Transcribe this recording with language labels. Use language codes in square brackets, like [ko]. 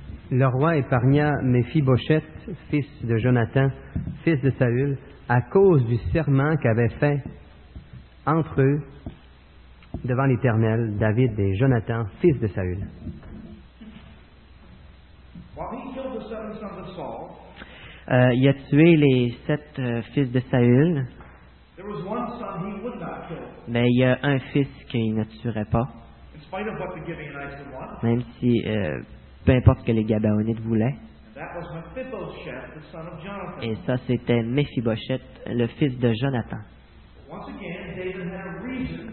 [fr] Le roi épargna Mephibosheth, fils de Jonathan, fils de Saül, à cause du serment qu'avait fait entre eux devant l'Éternel, David et Jonathan, fils de Saül. Il a tué les sept fils de Saül. [en] There was one son he would not kill. [fr] Mais il y a un fils qu'il ne tuerait pas. [en] In spite of what the Gibeonites want. [fr] Même si, peu importe ce que les Gabaonites voulaient. [en] That was Mephibosheth, the son of Jonathan. [fr] Et ça, c'était Mephibosheth, le fils de Jonathan. [en] Once again, David had a reason.